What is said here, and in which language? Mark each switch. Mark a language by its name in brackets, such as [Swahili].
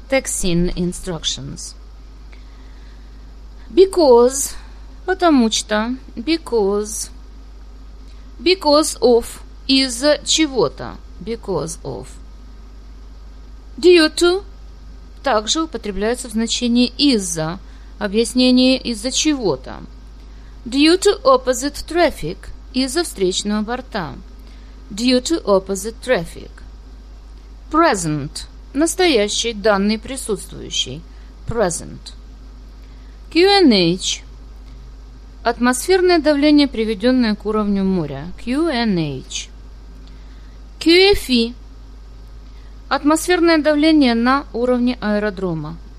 [English] Taxiing instructions. Because. Потому что. Because. Because of. [Russian] Из-за чего-то. [English] Because of. Due to. [Russian] Также употребляется в значении из-за. Объяснение из-за чего-то. [English] Due to opposite traffic. [Russian] Из-за встречного борта. [English] Due to opposite traffic. Present. [Russian] Настоящий, данный, присутствующий. [English] Present. QNH. [Russian] Атмосферное давление, приведенное к уровню моря. [English] QNH. QFE. [Russian] Атмосферное давление на уровне аэродрома.